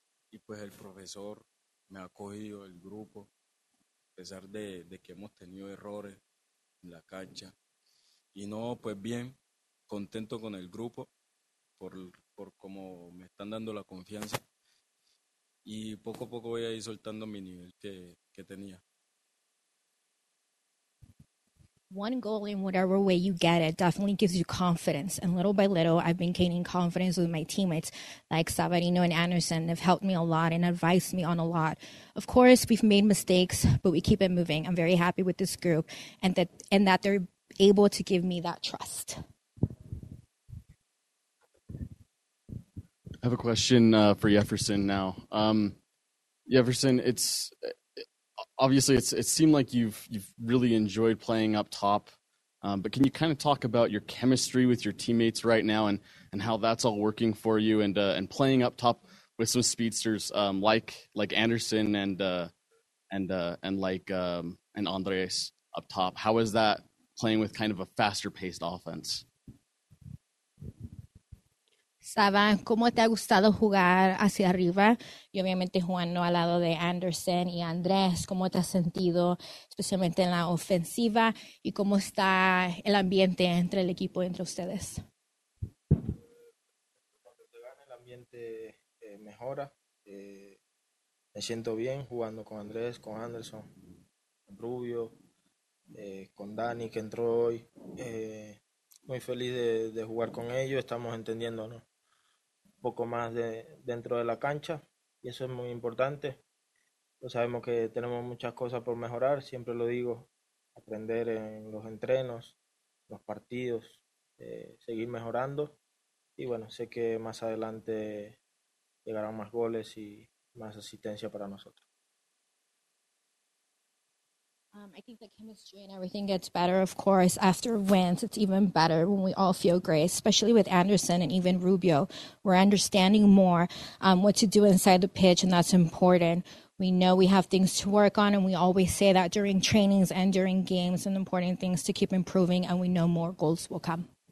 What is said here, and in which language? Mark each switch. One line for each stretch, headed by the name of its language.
Spanish: Y pues el profesor me ha acogido, el grupo, a pesar de que hemos tenido errores en la cancha. Y no, pues bien, contento con el grupo. Por cómo me están dando la confianza y poco a poco voy a ir soltando mi nivel que tenía.
English: one goal in whatever way you get it definitely gives you confidence. And little by little, I've been gaining confidence with my teammates like Savarino and Anderson. They've helped me a lot and advised me on a lot. Of course, we've made mistakes, but we keep it moving. I'm very happy with this group and that they're able to give me that trust. I have a question for Jefferson now. Jefferson, it seemed like you've really enjoyed playing up top, but can you kind of talk about your chemistry with your teammates right now and how that's all working for you and playing up top with some speedsters like Anderson and Andres up top? How is that playing with kind of a faster paced offense?
Spanish: Saban, ¿cómo te ha gustado jugar hacia arriba? Y obviamente jugando al lado de Anderson y Andrés, ¿cómo te has sentido, especialmente en la ofensiva? ¿Y cómo está el ambiente entre el equipo, entre ustedes? Cuando se gana, el ambiente mejora. Me siento bien jugando con Andrés, con Anderson, con Rubio, con Dani, que entró hoy. Muy feliz de jugar con ellos, estamos entendiendo, ¿no? Poco más de dentro de la cancha y eso es muy importante. Pues sabemos que tenemos muchas cosas por mejorar, siempre lo digo, aprender en los entrenos, los partidos, seguir mejorando y bueno, sé que más adelante llegarán más goles y más asistencia para nosotros.
English: I think the chemistry and everything gets better, of course. After wins, it's even better when we all feel great, especially with Anderson and even Rubio. We're understanding more what to do inside the pitch, and that's important. We know we have things to work on, and we always say that during trainings and during games, and important things to keep improving, and we know more goals will come.